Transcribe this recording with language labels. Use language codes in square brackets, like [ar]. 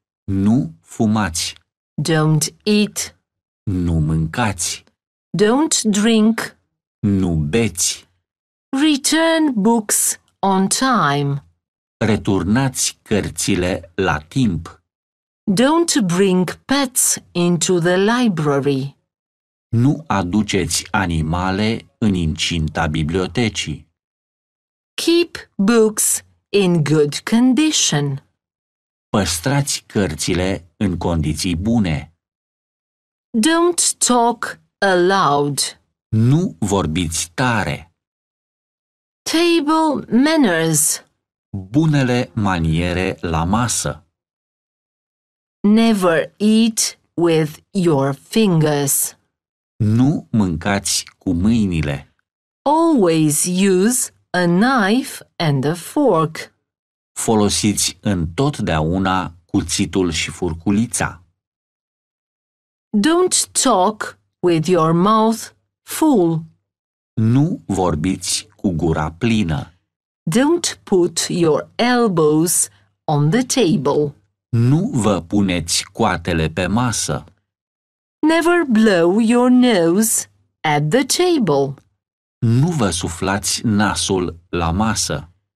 [ro] Nu fumați. [en] Don't eat. [ro] Nu mâncați. [en] Don't drink. [ro] Nu beți. [en] Return books on time. [ro] Returnați cărțile la timp. [en] Don't bring pets into the library. [ro] Nu aduceți animale în incinta bibliotecii. [en] Keep books in good condition. [ro] Păstrați cărțile în condiții bune. [en] Don't talk aloud. [ro] Nu vorbiți tare. [en] Table manners. [ro] Bunele maniere la masă. [en] Never eat with your fingers. [ro] Nu mâncați cu mâinile. [en] Always use a knife and a fork. [ro] Folosiți întotdeauna cuțitul și furculița. [en] Don't talk with your mouth full. [ro] Nu vorbiți cu gura plină. [en] Don't put your elbows on the table. [ro] Nu vă puneți coatele pe masă. [en] Never blow your nose at the table. [ro] Nu vă suflați nasul la masă.